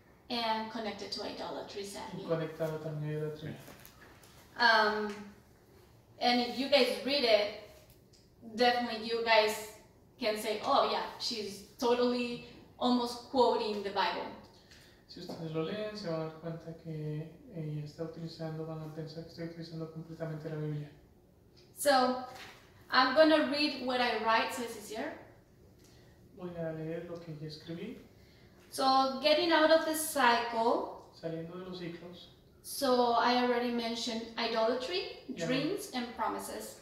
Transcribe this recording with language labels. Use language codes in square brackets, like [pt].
[en] And connected to idolatry, sadly. [es] Y conectado también a idolatría. [en] And if you guys read it, definitely you guys can say, oh yeah, she's totally almost quoting the Bible. [es] Si ustedes lo leen, se van a dar cuenta que ella está utilizando, van a pensar que estoy utilizando completamente la Biblia. [en] So, I'm going to read what I write, so this is here. [es] Voy a leer lo que ya escribí. [en] So, getting out of the cycle. [es] Saliendo de los ciclos. [en] So, I already mentioned idolatry, [es] ya [en] dreams, and promises.